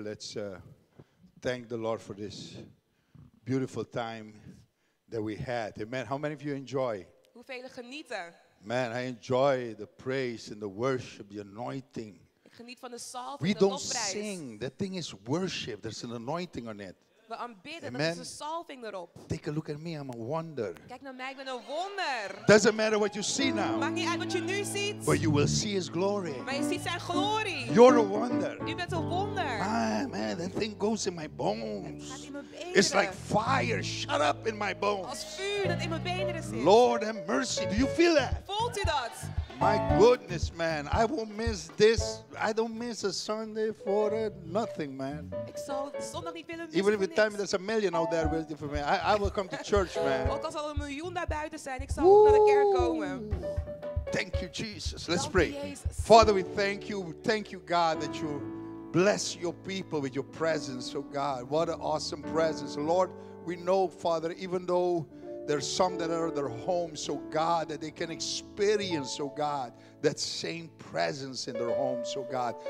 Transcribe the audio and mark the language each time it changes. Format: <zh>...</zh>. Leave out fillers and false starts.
<en>Let's thank the Lord for this beautiful time that we had. Amen. How many of you enjoy?</en> <nl>Hoeveel genieten?</nl> <en>Man, I enjoy the praise and the worship, the anointing.</en> <nl>Ik geniet van de salve,</nl> <en>we</en> <nl>de</nl> <en>don't</en> <nl>lofprijs.</nl> <en>Sing. That thing is worship. There's an anointing on it.</en> <nl>We aanbidden, amen. Dat is een salving erop.</nl> <en>Take a look at me, I'm a wonder.</en> <nl>Kijk naar mij, ik ben een wonder.</nl> <en>Doesn't matter what you see now.</en> <nl>Maakt niet uit wat je nu ziet.</nl> <en>But you will see his glory.</en> <nl>Maar je ziet zijn glorie.</nl> <en>You're a wonder.</en> <nl>U bent een wonder.</nl> <en>Ah, man, that thing goes in my bones.</en> <nl>Het gaat in mijn benen.</nl> <en>It's like fire shut up in my bones.</en> <nl>Als vuur dat in mijn benen zit.</nl> <en>Lord have mercy, do you feel that?</en> <nl>Voelt u dat?</nl> <en>My goodness, man, I won't miss this. I don't miss a Sunday for nothing, man.</en> <nl>Ik zal zondag niet willen missen.</nl> <en>Even if you tell me there's a million out there waiting for me, I will come to church, man.</en> <nl>Ook als er een miljoen daar buiten zijn, ik zal naar de kerk komen.</nl> <en>Thank you, Jesus. Let's pray. Father, we thank you. Thank you, God, that you bless your people with your presence. Oh, God, what an awesome presence. Lord, we know, Father, even though there's some that are at their homes, so God, that they can experience, oh God, that same presence in their homes, oh God.</en>